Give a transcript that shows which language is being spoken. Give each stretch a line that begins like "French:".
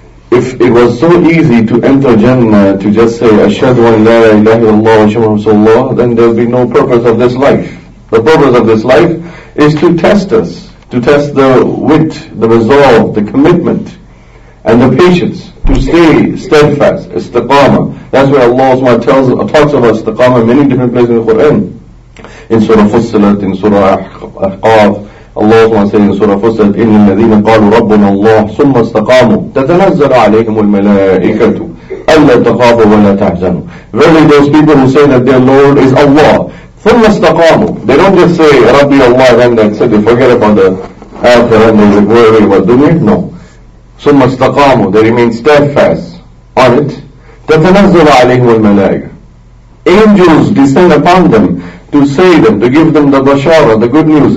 English: If it was so easy to enter Jannah to just say,
Arabic: أَشْهَدُ أَن لَا إِلَهَ إِلَّا اللَّهُ وَشَهَدُ رَسُولُ اللَّهُ,
English: then there'll be no purpose of this life. The purpose of this life is to test us, to test the wit, the resolve, the commitment, and the patience to stay steadfast, istiqamah. That's where Allah SWT talks about istiqamah in many different places in the Quran. In Surah Fussilat, in Surah Ahqaf, Allah SWT says in Surah Fussilat,
Arabic: إِنَّ الَّذِينَ قَالُوا رَبُّنَا اللَّهُ ثُمَّ اسْتَقَامُوا تَتَنَزَّلَ عَلَيْهِمُ الْمَلَائِكَةُ أَلَّا تَخَافُوا وَلَا تَحْزَنُوا.
English: Really, those people who say that their Lord is Allah,
Arabic: ثُمَّ اسْتَقَامُوا,
English: they don't just say
Arabic: رَبِّيَ اللَّهِ,
English: then that's it, they forget about the Akhirah, they say, worry about dunya, no.
Arabic: ثُمَّ اسْتَقَامُوا,
English: they remain steadfast on it.
Arabic: تَتَنَزَّلَ عَلَيْهُمُ الْمَلَائِكَةُ,
English: angels descend upon them to say them, to give them the bashara, the good news.